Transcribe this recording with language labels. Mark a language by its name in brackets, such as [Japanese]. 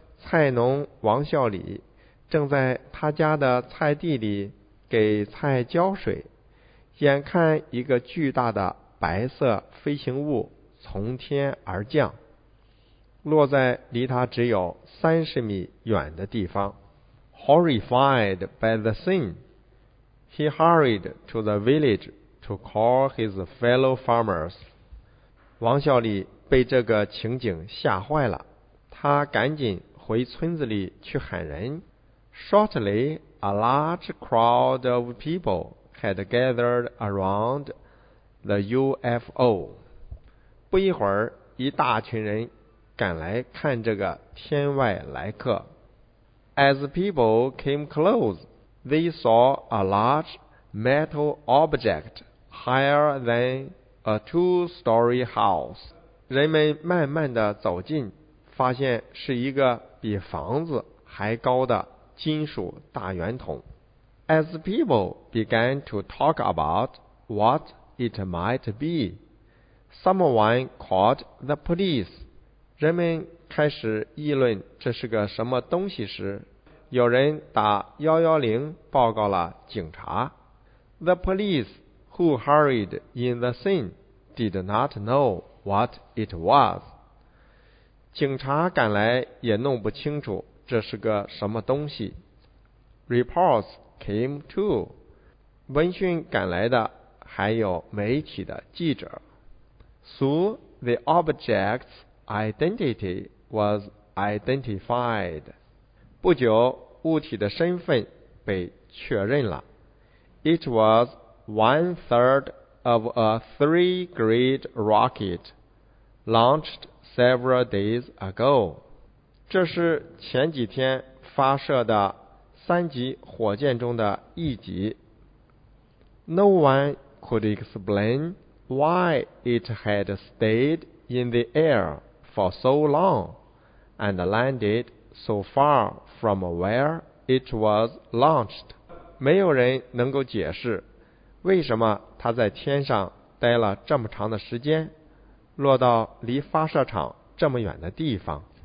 [Chinese] 菜农王孝礼正在他家的菜地里给菜浇水，眼看一个巨大的白色飞行物从天而降，落在离他只有30米远的地方。 [English] Horrified by the scene, he hurried to the village to call his fellow farmers. [Chinese] 王孝礼被这个情景吓坏了，他赶紧回村子里去喊人。 [English] Shortly, a large crowd of people had gathered around the UFO. [Chinese] 不一会儿，一大群人赶来看这个天外来客。 [English] As people came close, they saw a large metal object higher than a two-story house. [Chinese] 人们慢慢地走近，发现是一个比房子还高的金属大圆筒。 [English] As people began to talk about what it might be, someone called the police. [Chinese] 人们开始议论这是个什么东西时，有人打110报告了警察。 [English] The police who hurried in the scene did not know. What it was. [Chinese] 警察赶来也弄不清楚这是个什么东西。 [English] Reports came too. [Chinese] 闻讯赶来的还有媒体的记者。 [English] So the object's identity was identified. [Chinese] 不久，物体的身份被确认了。 [English] It was one-third of a three-grade rocket. Launched several days ago. [Chinese] 这是前几天发射的三级火箭中的一级。 [English] No one could explain why it had stayed in the air for so long and landed so far from where it was launched. [Chinese] 没有人能够解释为什么它在天上待了这么长的时间。落到离发射场这么远的地方。